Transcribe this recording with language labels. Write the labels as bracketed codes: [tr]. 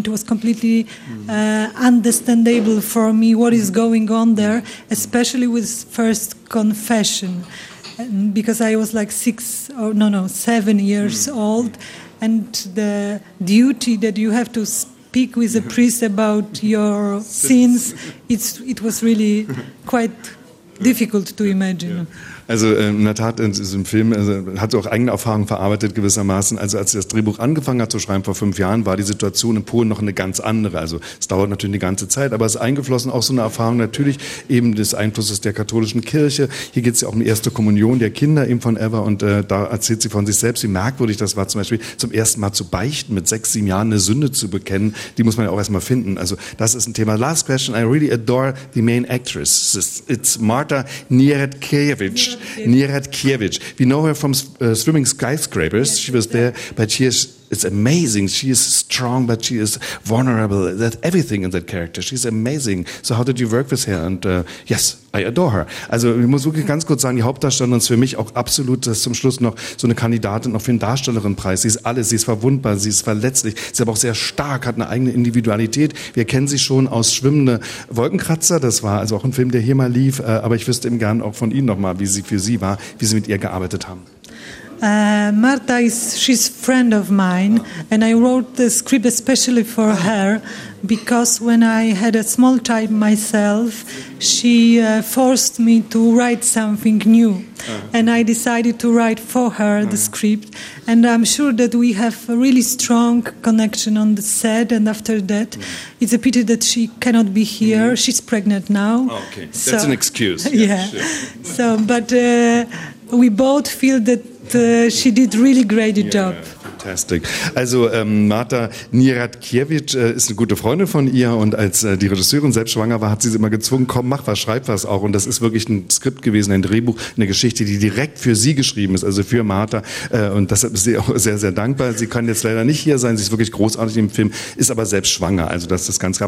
[en] It was completely understandable for me what is going on there, especially with First Confession. And because I was like 7 years old, and the duty that you have to speak with a priest about your sins, it was really quite difficult to imagine. [de] Also in der Tat, in diesem Film hat auch eigene Erfahrungen verarbeitet gewissermaßen. Also als er das Drehbuch angefangen hat zu schreiben vor 5 Jahren, war die Situation in Polen noch eine ganz andere. Also es dauert natürlich eine ganze Zeit, aber es ist eingeflossen auch so eine Erfahrung natürlich eben des Einflusses der katholischen Kirche. Hier geht es ja auch um die erste Kommunion der Kinder eben von Eva und da erzählt sie von sich selbst, wie merkwürdig das war zum Beispiel, zum ersten Mal zu beichten, mit 6, 7 Jahren eine Sünde zu bekennen. Die muss man ja auch erstmal finden. Also das ist ein Thema. [en] Last question, I really adore the main actress. It's Marta Nieratkiewicz. Nieratkiewicz. We know her from Swimming Skyscrapers. Yes, she was there, but she is, it's amazing. She is strong, but she is vulnerable. That everything in that character. She's amazing. So how did you work with her? And yes, I adore her. [de] Also ich muss wirklich ganz kurz sagen, die Hauptdarstellerin ist für mich auch absolut, das ist zum Schluss noch so eine Kandidatin auch für den Darstellerinnenpreis. Sie ist alles, sie ist verwundbar, sie ist verletzlich, sie ist aber auch sehr stark, hat eine eigene Individualität. Wir kennen sie schon aus Schwimmende Wolkenkratzer, das war also auch ein Film, der hier mal lief, aber ich wüsste eben gern auch von Ihnen nochmal, wie sie für Sie war, wie Sie mit ihr gearbeitet haben. [en] Marta is, she's a friend of mine, and I wrote the script especially for her, because when I had a small child myself, she forced me to write something new, and I decided to write for her the script, and I'm sure that we have a really strong connection on the set, and after that, it's a pity that she cannot be here, she's pregnant now. Okay, that's so, an excuse. Yeah, sure. So, but we both feel that she did really great job. Fantastic. [de] Also Marta Nieratkiewicz ist eine gute Freundin von ihr und als die Regisseurin selbst schwanger war, hat sie immer gezwungen, komm, mach was, schreib was auch. Und das ist wirklich ein Skript gewesen, ein Drehbuch, eine Geschichte, die direkt für sie geschrieben ist, also für Marta. Und deshalb ist sie auch sehr, sehr dankbar. Sie kann jetzt leider nicht hier sein, sie ist wirklich großartig im Film, ist aber selbst schwanger, also das ist ganz klar.